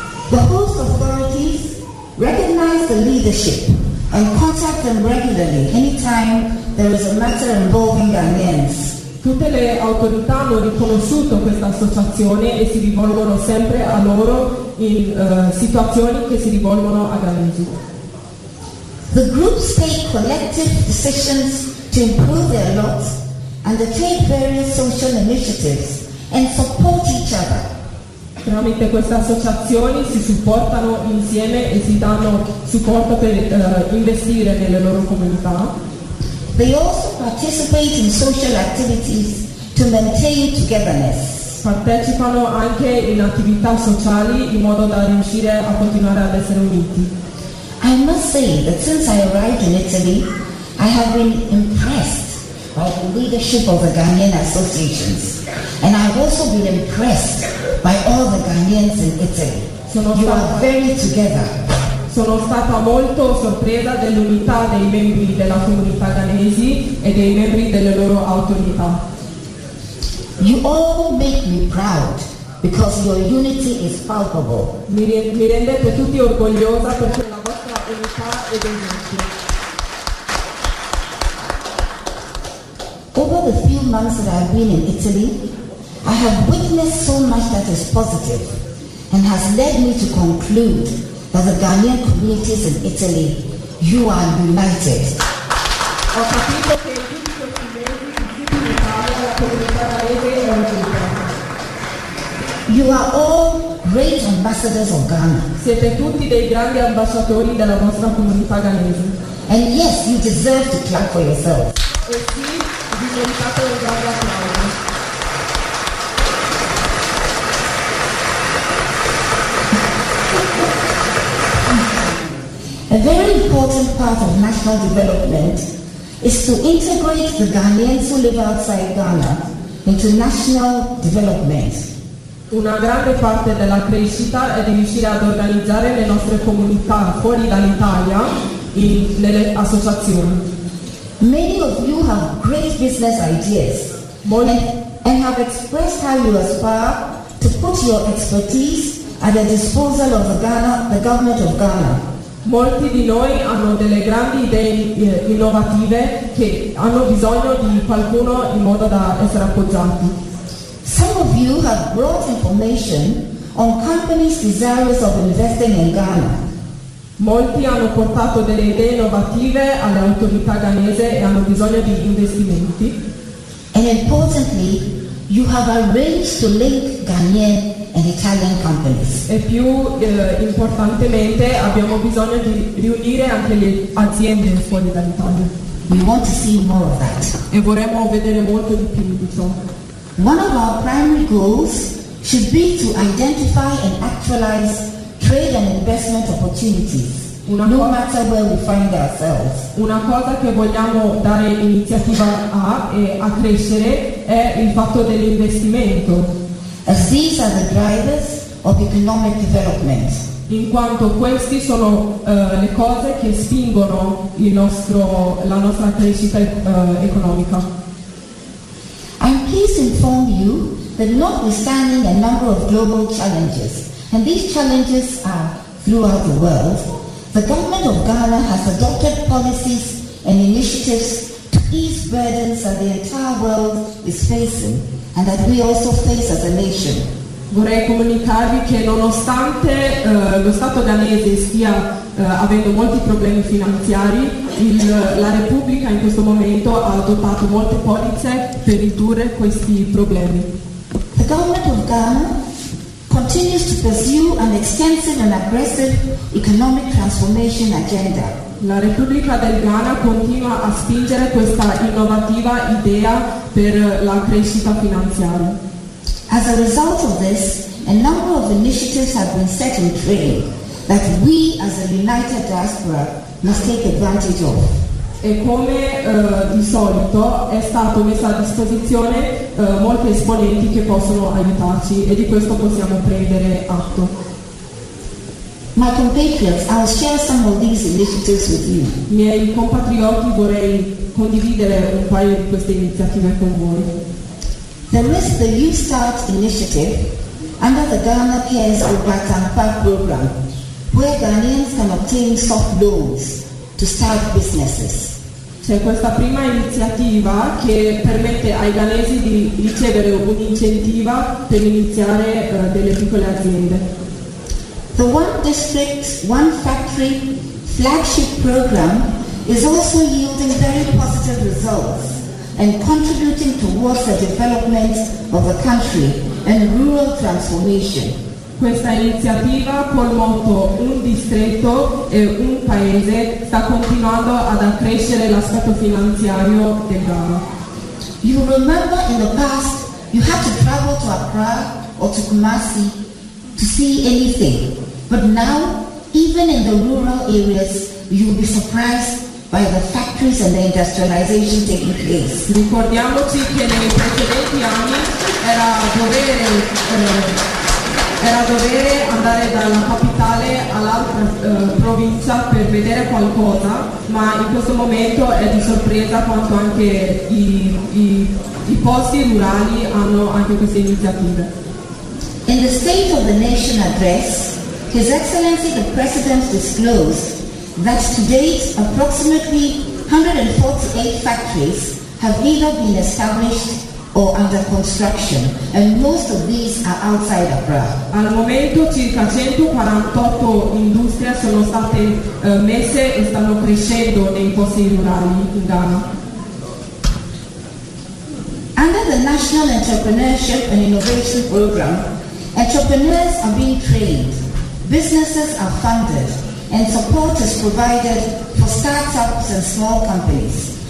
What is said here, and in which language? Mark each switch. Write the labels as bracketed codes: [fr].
[en] The host authorities recognize the leadership and contact them regularly anytime there is a matter involving Ghanaians. [it] Tutte le autorità hanno riconosciuto questa associazione e si rivolgono sempre a loro in situazioni che si rivolgono a Ghanaians. [en] The groups take collective decisions to improve their lots, undertake various social initiatives, and support each other. [it] Tramite queste associazioni si supportano insieme e si danno supporto per investire nelle loro comunità. [en] They also participate in social activities to maintain togetherness. [it] Partecipano anche in attività sociali in modo da riuscire a continuare ad essere uniti. [en] I must say that since I arrived in Italy, I have been impressed by the leadership of the Ghanaian associations. And I've also been impressed by all the Ghanaians in Italy. You are very together. [it] Sono stata molto sorpresa dell'unità dei membri della comunità ghanesi e dei membri delle loro autorità. [en] You all make me proud because your unity is palpable. [it] Mi rendete tutti orgogliosa perché la vostra unità è evidente. [en] Over the few months that I've been in Italy, I have witnessed so much that is positive and has led me to conclude that the Ghanaian communities in Italy, you are united. You are all great ambassadors of Ghana. [it] Siete tutti dei grandi ambasciatori della nostra comunità ghanese. [en] And yes, you deserve to clap for yourself. A very important part of national development is to integrate the Ghanaians who live outside Ghana into national development. [it] Una grande parte della crescita è di riuscire ad organizzare le nostre comunità fuori dall'Italia in nelle associazioni. [en] Many of you have great business ideas and have expressed how you aspire to put your expertise at the disposal of the government of Ghana. [it] Molti di noi hanno delle grandi idee innovative che hanno bisogno di qualcuno in modo da essere appoggiati. [en] Some of you have brought information on companies desirous of investing in Ghana. [it] Molti hanno portato delle idee innovative alle autorità ghanese e hanno bisogno di investimenti. [en] And importantly, you have arranged to link Ghanaian and Italian companies. [it] E più importantemente, abbiamo bisogno di riunire anche le aziende fuori dall'Italia. [en] We want to see more of that. [it] E vorremmo vedere molto di più di ciò. [en] One of our primary goals should be to identify and actualize trade and investment opportunities, no matter where we find ourselves. [it] Una cosa che vogliamo dare iniziativa a e a crescere è il fatto dell'investimento. [en] As these are the drivers of economic development. [it] In quanto questi sono le cose che spingono la nostra crescita economica. [en] I'm pleased to inform you that notwithstanding a number of global challenges, and these challenges are throughout the world, the government of Ghana has adopted policies and initiatives to ease burdens that the entire world is facing and that we also face as a nation. [it] Vorrei comunicarvi che nonostante lo Stato ghanese stia avendo molti problemi finanziari, la Repubblica in questo momento ha adottato molte polizze per ridurre questi problemi. [en] The government of Ghana continues to pursue an extensive and aggressive economic transformation agenda. [it] La Repubblica del Ghana continua a spingere questa innovativa idea per la crescita finanziaria. [en] As a result of this, a number of initiatives have been set in train that we as a united diaspora must take advantage of. [it] E come di solito è stato messo a disposizione molti esponenti che possono aiutarci e di questo possiamo prendere atto. [en] My compatriots, I'll share some of these initiatives with you. [it] Miei compatrioti, vorrei condividere un paio di queste iniziative con voi. [en] There is the Youth Start initiative under the Ghana Cares Obatampa program, where Ghanaians can obtain soft loans to start businesses. [it] C'è questa prima iniziativa che permette ai ghanesi di ricevere un incentivo per iniziare delle piccole aziende. [en] The One District, One Factory flagship program is also yielding very positive results and contributing towards the development of the country and rural transformation. [it] Questa iniziativa col motto Un distretto e un paese sta continuando ad accrescere l'aspetto finanziario del Ghana. [en] You remember in the past you had to travel to Accra or to Kumasi to see anything. But now, even in the rural areas, you'll be surprised by the factories and the industrialization taking place. [it] Ricordiamoci che nei precedenti anni era dovere era dovere andare dalla capitale all'altra provincia per vedere qualcosa, ma in questo momento è di sorpresa quanto anche i posti rurali hanno anche queste iniziative. [en] In the State of the Nation address, His Excellency the President disclosed that to date approximately 148 factories have either been established or under construction, and most of these are outside Abra. [it] Al momento circa 148 industrie sono state messe e stanno crescendo nei posti rurali in Ghana. [en] Under the National Entrepreneurship and Innovation Program, entrepreneurs are being trained, businesses are funded, and support is provided for startups and small companies.